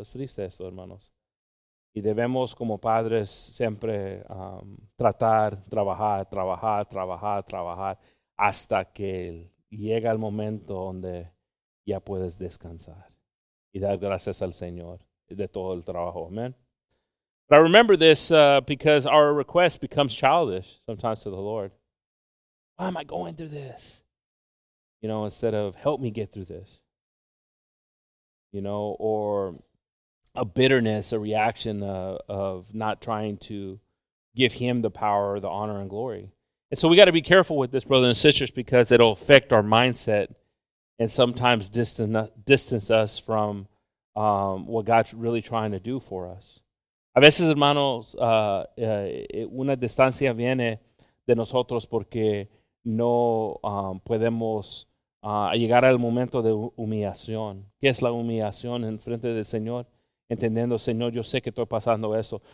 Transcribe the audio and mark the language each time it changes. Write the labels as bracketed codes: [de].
[es] Es triste eso, hermanos. Y debemos como padres siempre trabajar hasta que llega el momento donde ya puedes descansar y dar gracias al Señor de todo el trabajo. Amen. [en] But I remember this because our request becomes childish sometimes to the Lord. Why am I going through this? You know, instead of help me get through this. You know, or a bitterness, a reaction of not trying to give Him the power, the honor, and glory. And so we got to be careful with this, brothers and sisters, because it'll affect our mindset and sometimes distance us from what God's really trying to do for us. [es] A veces, hermanos, una distancia viene de nosotros porque no podemos llegar al momento de humillación. ¿Qué es la humillación en frente del Señor? Entendiendo, Señor, yo sé que estoy pasando eso.